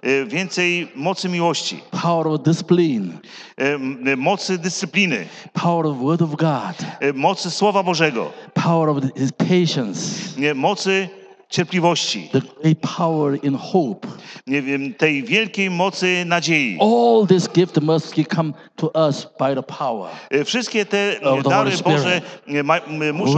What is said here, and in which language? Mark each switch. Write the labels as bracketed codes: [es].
[pl] Więcej mocy miłości. [en] Power of discipline. [pl] Mocy dyscypliny. [en] Power of word of God. [pl] Mocy Słowa Bożego. [en] Power of his patience. [pl] Mocy cierpliwości. [en] The great power in hope. [pl] Nie wiem, tej wielkiej mocy nadziei. [en] All this gift must come to us by the power. [pl] Wszystkie te dary Boże muszą